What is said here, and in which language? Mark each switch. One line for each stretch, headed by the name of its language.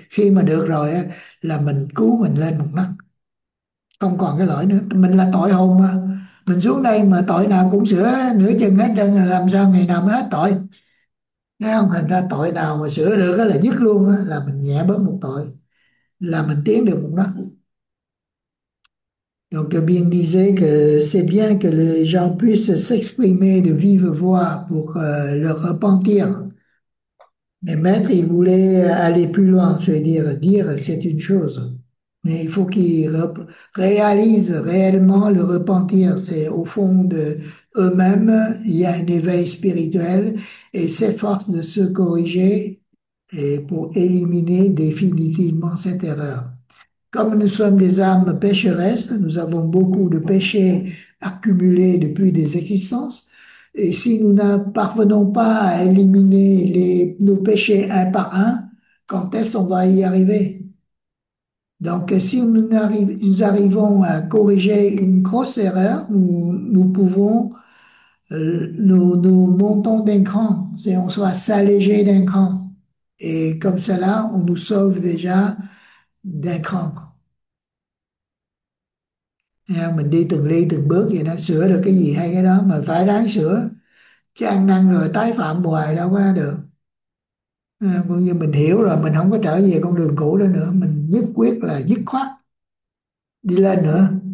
Vietnamese: Khi mà được rồi á là mình cứu mình lên một nấc, không còn cái lỗi nữa. Mình là tội hồn mà, mình xuống đây mà tội nào cũng sửa nửa chừng hết trơn, làm sao ngày nào mới hết tội? Thấy không? Thành ra tội nào mà sửa được đó là dứt luôn đó, là mình nhẹ bớt một tội, là mình tiến được một nấc.
French: Donc Bien disait que c'est bien que les gens puissent s'exprimer de vive voix pour leur repentir. Mais maître, il voulait aller plus loin, c'est-à-dire dire c'est une chose. Mais il faut qu'ils réalisent réellement le repentir. C'est au fond d'eux-mêmes, il y a un éveil spirituel et s'efforcent de se corriger et pour éliminer définitivement cette erreur. Comme nous sommes des âmes pécheresses, nous avons beaucoup de péchés accumulés depuis des existences. Et si nous ne parvenons pas à éliminer nos péchés un par un, quand est-ce qu'on va y arriver? Donc, si nous arrivons à corriger une grosse erreur, nous pouvons nous montons d'un cran, et on soit s'alléger d'un cran. Et comme cela, on nous sauve déjà d'un cran.
Vietnamese: Et mình đi từng ly từng bước vậy đó, sửa được cái gì hay cái đó mà phải ráng sửa. Chứ ăn năn rồi tái phạm hoài đâu có được. À, cũng như mình hiểu rồi mình không có trở về con đường cũ đó nữa, mình nhất quyết là dứt khoát đi lên nữa.